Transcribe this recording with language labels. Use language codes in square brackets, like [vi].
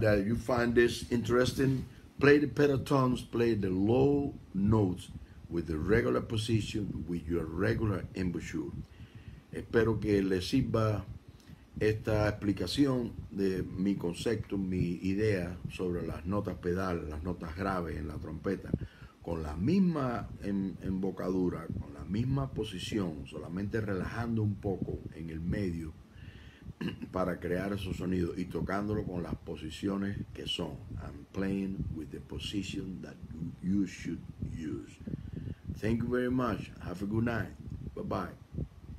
[en] You find this interesting, play the pentatonics, play the low notes with the regular position with your regular embouchure. [es] Espero que les sirva esta explicación de mi concepto, mi idea sobre las notas pedal, las notas graves en la trompeta, con la misma embocadura, con la misma posición, solamente relajando un poco en el medio para crear esos sonidos y tocándolo con las posiciones que son. [en] I'm playing with the position that you should use. Thank you very much. Have a good night. Bye bye.